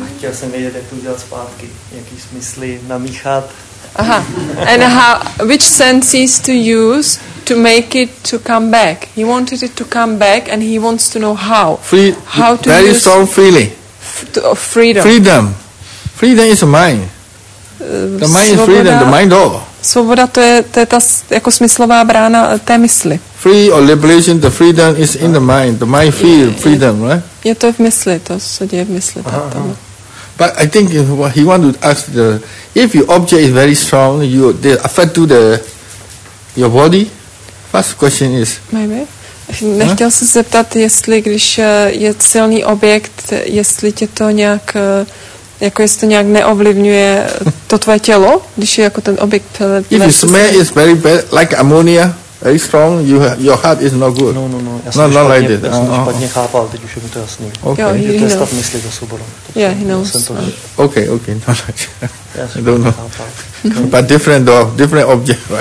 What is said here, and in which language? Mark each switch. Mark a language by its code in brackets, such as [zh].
[cs] Chtěl jsem vědět, jak to udělat zpátky, jaký smysly namíchat. Aha. [en] And how, which senses to use to make it to come back? He wanted it to come back, and he wants to know how. How to very use strong feeling. Freedom. Freedom. Freedom is mind. The mind [cs] svoboda, [en] is freedom. The mind door. [cs] Svoboda to je ta jako smyslová brána té mysli. [en] Free or liberation, the freedom is in the mind. The mind feel freedom, right? [cs] Je to v mysli, to se děje v mysli. [en] But I think he want to ask the if your object is very strong, you the affect to the your body. First question is. Maybe. [cs] Nechtěl jsem se zeptat, jestli když je silný objekt, jestli tě to nějak jako jestli to nějak neovlivňuje to tvoje tělo, když je jako ten objekt. [en] If you smell is very bad, like ammonia. Very strong, your heart is not good. [cs] No, já jsem to špatně chápal, teď už je mi to jasný. [en] Okay. [cs] To je stav mysli za svobodou. [en] Yeah, he knows. Okay, not much. [cs] Já [en] but different door, different object.